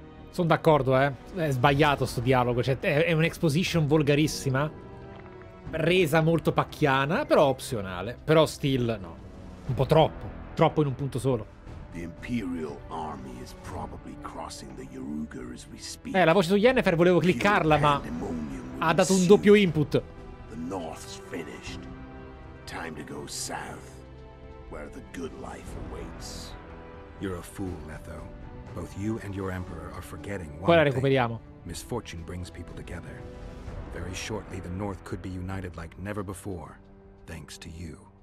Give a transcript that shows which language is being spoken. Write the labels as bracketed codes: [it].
[it] Sono d'accordo, eh. È sbagliato sto dialogo. Cioè, è un'exposition volgarissima. Resa molto pacchiana, però opzionale. Però still, no. Un po' troppo. Troppo in un punto solo. [en] The Imperial Army is probably crossing the Yoruga as we speak. [it] La voce su Yennefer volevo cliccarla, ma ha dato un doppio input. [en] The North's finished. Time to go south, where the good life awaits. You're a fool, Letho. Both you and your Emperor are forgetting one [it] thing. Poi la recuperiamo. [en] Misfortune brings people together. Very shortly, the North could be united like never before, thanks to you.